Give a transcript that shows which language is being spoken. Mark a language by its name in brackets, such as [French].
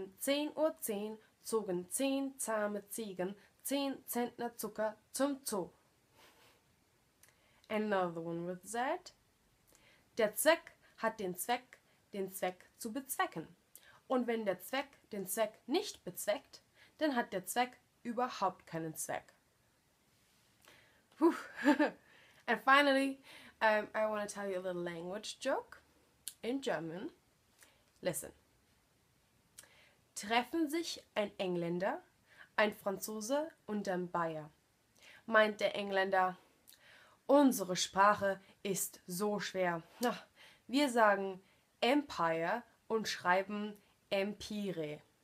[German] 10.10 Uhr zogen 10 zahme Ziegen 10 Zentner Zucker zum Zoo. [English] Another one with Z. [German] Der Zweck hat den Zweck zu bezwecken. Und wenn der Zweck den Zweck nicht bezweckt, dann hat der Zweck überhaupt keinen Zweck. Puh. [English] And finally, I want to tell you a little language joke in German. Listen. [German] Treffen sich ein Engländer, ein Franzose und ein Bayer. Meint der Engländer, unsere Sprache ist so schwer. Wir sagen Empire und schreiben Empire.